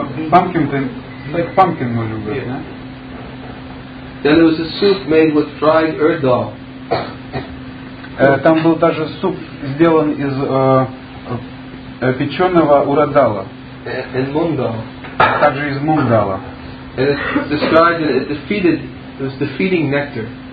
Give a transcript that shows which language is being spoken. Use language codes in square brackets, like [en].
[ru] Pumpkin можно говорить, да? [en] Then there was a soup made with fried erdal. [ru] Там был даже суп, сделан из печеного урадала. [en] And мунгдал. [ru] Также из мунгдала. [en] And it's described that it defeated, it was defeating nectar.